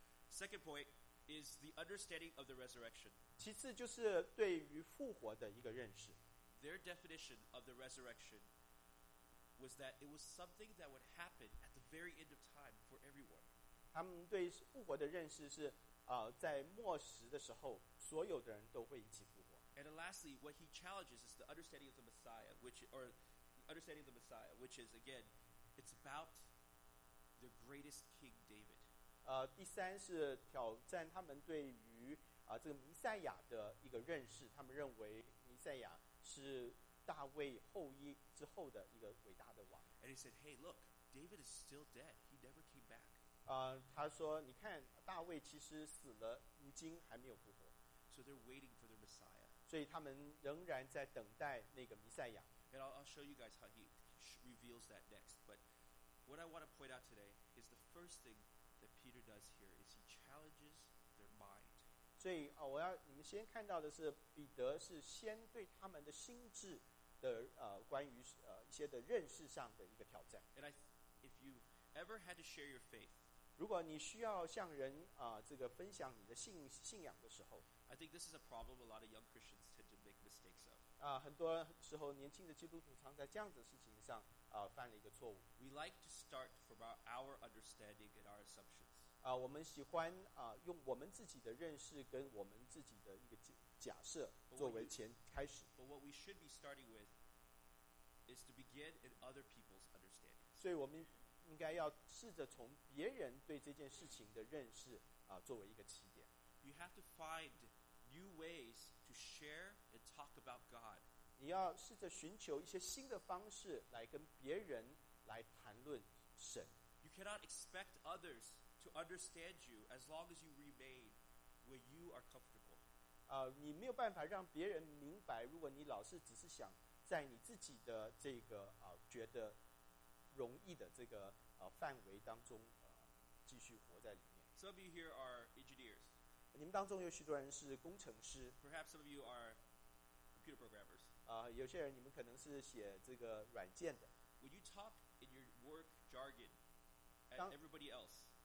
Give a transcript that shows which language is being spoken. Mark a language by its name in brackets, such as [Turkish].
[English] Second point is the understanding of the resurrection. [Chinese] 其次就是对于复活的一个认识。 [English] Their definition of the resurrection was that it was something that would happen at the very end of time for everyone. [Chinese] 他们对复活的认识是，在末时的时候，所有的人都会一起复活。 [English] And lastly, what he challenges is the understanding of the Messiah, which is again, it's about the greatest King David. [Chinese] 第三是挑战他们对于这个弥赛亚的一个认识。他们认为弥赛亚是大卫后裔之后的一个伟大的王。 [English] And he said, "Hey, look, David is still dead. He never came back." [Chinese] 他说，你看，大卫其实死了，如今还没有复活。 [English] So they're waiting for their Messiah. [Chinese] 所以他们仍然在等待那个弥赛亚。 [English] And I'll show you guys how he reveals that next. But what I want to point out today is the first thing that Peter does here is he challenges their mind. [Chinese] 所以我要你们先看到的是彼得是先对他们的心智的关于一些的认识上的一个挑战。 [English] And if you ever had to share your faith, [Chinese] 如果你需要向人这个分享你的信仰的时候 [English] I think this is a problem a lot of young Christians tend to make mistakes of. [Chinese] 很多时候年轻的基督徒常在这样的事情上犯了一个错误。 [English] We like to start from our understanding and our assumptions. [Chinese] 我们喜欢用我们自己的认识跟我们自己的一个假设作为前开始。 [English] But what we should be starting with is to begin in other people's understanding. [Chinese] 所以我们应该要试着从别人对这件事情的认识作为一个起点。 [English] You have to find new ways to share and talk about God. [Chinese] 你要试着寻求一些新的方式来跟别人来谈论神。 [English] You cannot expect others. To understand you as long as you remain where you are comfortable. [Chinese] 你没有办法让别人明白，如果你老是只是想在你自己的这个觉得容易的这个范围当中继续活在里面。 [English] Some of you here are engineers. [Chinese] 你们当中有许多人是工程师。 [English] Perhaps some of you are computer programmers. [Chinese] 有些人你们可能是写这个软件的。 [English] When you talk in your work jargon at everybody else.